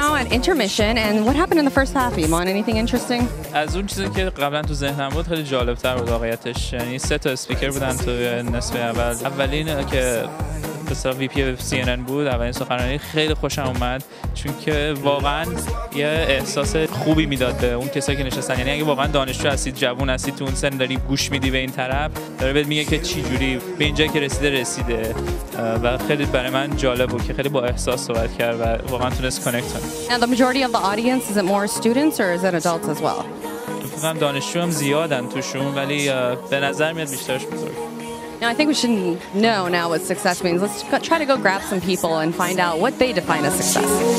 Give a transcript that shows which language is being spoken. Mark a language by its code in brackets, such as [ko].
[en] Intermission, and what happened in the first half, Iman? Anything interesting? [fa] از اون چیزی که قبلا تو ذهنم بود خیلی جالب تر بود واقعیتش. یعنی سه تا اسپیکر بودن تو نصف اول. اولین که مثلا وی پی سی ان ان بود، اولین سخنرانی خیلی خوشم اومد چون که واقعا یه احساس خوبی میداد به اون کسایی که نشستن. یعنی اگه واقعا دانشجو هستید، جوان هستید، تو اون سن داری گوش میدی به این طرف، داره بهت میگه که چی جوری به اینجا که رسیده و خیلی برای من جالب بود که خیلی با احساس صحبت کرد و واقعا تونست کانکت کنه. [en] And the majority of the audience, is it more students or is it adults as well? [fa] فکرم دانشجو هم زیادن توشون ولی به نظر میاد بیشترش بزرگ. [en] Now I think we should know now what success means. Let's try to go grab some people and find out what they define as success.